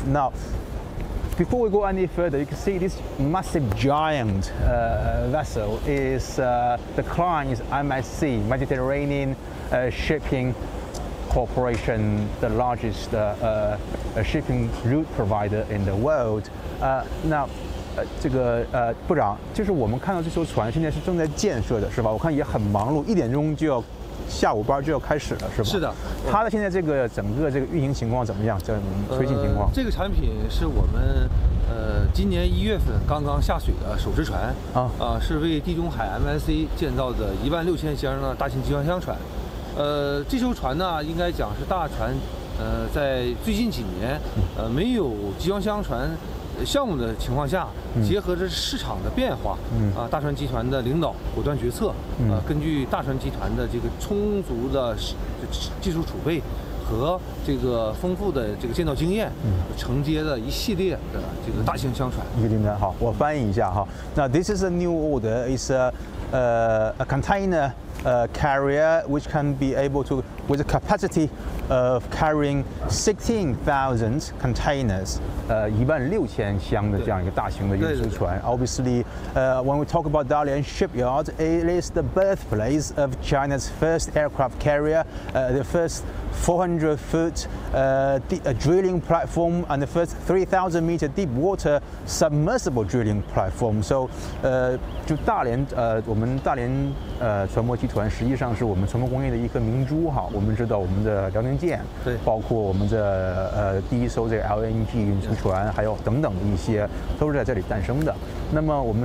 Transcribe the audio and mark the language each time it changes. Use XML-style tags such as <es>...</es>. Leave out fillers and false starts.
<en>Now, before we go any further, you can see this massive giant vessel is the client's MSC, Mediterranean Shipping Corporation, the largest shipping route provider in the world.</en> <zh>Now, 这个部长，就是我们看到这艘船现在是正在建设的，是吧？我看也很忙碌，一点钟就要下午班就要开始了，是吧？是的。它的现在这个整个这个运行情况怎么样？叫推进情况？这个产品是我们今年一月份刚刚下水的首只船，是为地中海 MSC 建造的1万6千箱的大型集装箱船，这艘船呢，应该讲是大船，在最近几年没有集装箱船项目的情况下，结合着市场的变化，大船集团的领导果断决策，根据大船集团的这个充足的技术储备和这个丰富的这个建造经验，承接了一系列的这个大型箱船。好，我翻译一下哈。</zh> <en>Now this is a new order. It's a container carrier which can be able to, with a capacity of carrying 16,000 containers,</en> <zh>16,000箱的这样一个大型的运输船.</zh> <en>Obviously, when we talk about Dalian Shipyard, it is the birthplace of China's first aircraft carrier, the first 400-foot drilling platform, and the first 3,000-meter deep water submersible drilling platform.</en> <zh>So, 就大连，我们大连船舶集团实际上是我们船舶工业的一颗明珠哈。我们知道我们的辽宁舰，包括我们的第一艘这个 LNG 运输船，还有等等一些，都是在这里诞生的。那么</zh>